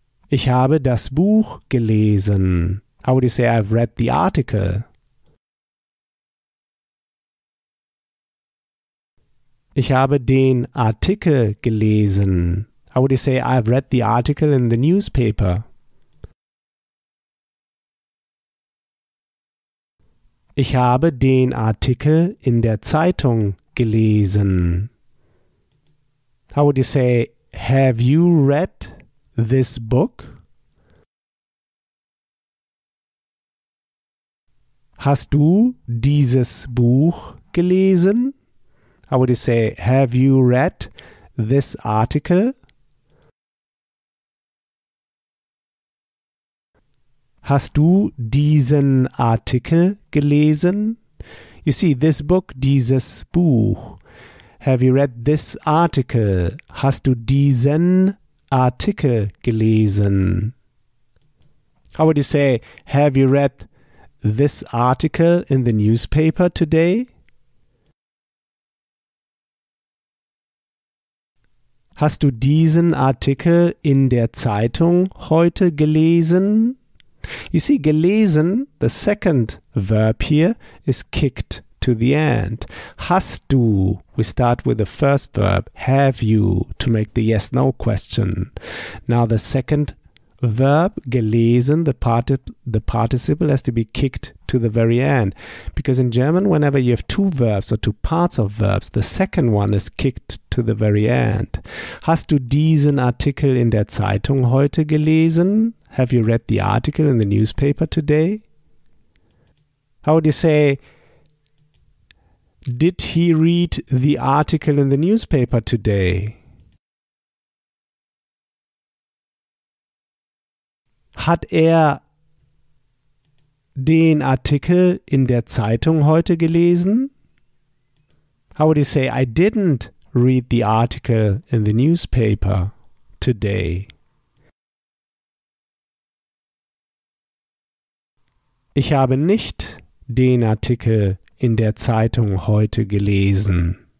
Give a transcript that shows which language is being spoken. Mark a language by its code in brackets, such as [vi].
[de] Ich habe das Buch gelesen. [en] How would you say, I've read the article? [de] Ich habe den Artikel gelesen. [en] How would you say, I've read the article in the newspaper? [de] Ich habe den Artikel in der Zeitung gelesen. [en] How would you say, have you read this book? [de] Hast du dieses Buch gelesen? [en] How would you say, have you read this article? [de] Hast du diesen Artikel gelesen? [en] You see, this book, [de] dieses Buch. [en] Have you read this article? [de] Hast du diesen Artikel gelesen? [en] How would you say, have you read this article in the newspaper today? [de] Hast du diesen Artikel in der Zeitung heute gelesen? [en] You see, gelesen, the second verb here, is kicked to the end. [de] Hast du, [en] we start with the first verb, have you, to make the yes-no question. Now the second verb, gelesen, the participle has to be kicked to the very end. Because in German, whenever you have two verbs or two parts of verbs, the second one is kicked to the very end. [de] Hast du diesen Artikel in der Zeitung heute gelesen? [en] Have you read the article in the newspaper today? How would you say, did he read the article in the newspaper today? [de] Hat den Artikel in der Zeitung heute gelesen? [en] How would you say, I didn't read the article in the newspaper today? [de] Ich habe nicht den Artikel in der Zeitung heute gelesen.